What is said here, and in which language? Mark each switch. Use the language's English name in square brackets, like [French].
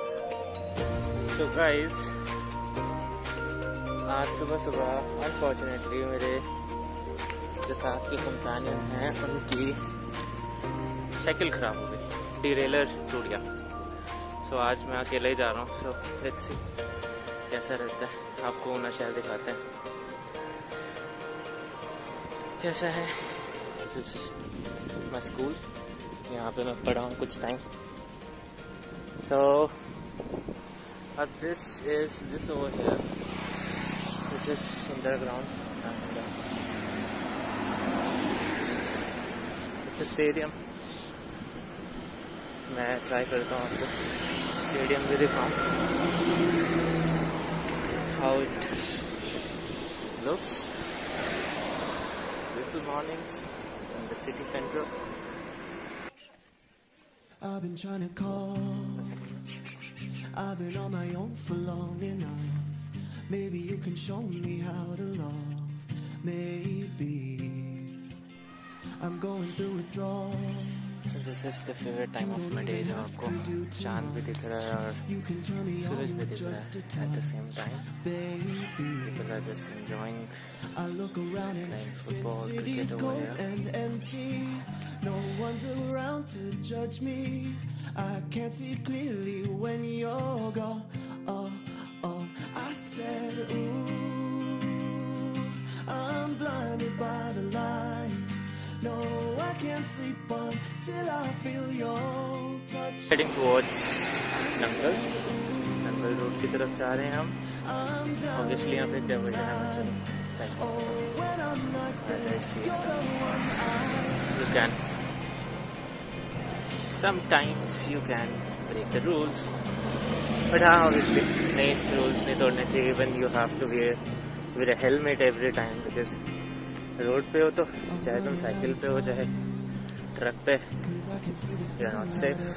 [Hindi] तो गाइस आज सुबह सुबह अनफॉर्चुनेटली मेरे जो साथ के कंपेनियन हैं उनकी साइकिल खराब हो गई, डीरेलर टूट गया। सो आज मैं अकेले ही जा रहा हूँ। [English] so let's see [Hindi] कैसा रहता है, आपको अपना शहर दिखाते हैं कैसा है। [English] this is my school, [Hindi] यहाँ पे मैं पढ़ा हूँ कुछ time. [English] So this over here, this is underground, and it's a stadium. [Hindi] मैं try करता हूँ आपको stadium भी दिखाऊँ [English] how it looks. Beautiful mornings in the city center. I've been trying to call. I've been on my own for long enough. Maybe you can show me how to love. Maybe I'm going through withdrawal. This is the favorite time of my day. [Hindi] आपको चांद भी दिख रहा है और सूरज भी दिख रहा है [English] at the same time. Baby, because I'm just enjoying playing football, cricket over here. And empty. No one's around to judge me. I can't see clearly when you're gone. Oh, oh. I said, ooh, I'm blinded by the lights. No, I can't sleep on till I feel your touch. Heading towards Nangal. [Hindi] Nangal Road की तरफ जा रहे हैं हम. Obviously यहाँ पे devil है. [English] Oh, when I'm like this, you're the one I. Look at. Sometimes you can break the rules, but [Hindi] हाँ obviously नहीं rules नहीं तोड़ने चाहिए. [English] Even you have to wear a helmet every time because [Hindi] road पे हो तो चाहे तुम cycle पे हो चाहे truck पे [English] you're not safe.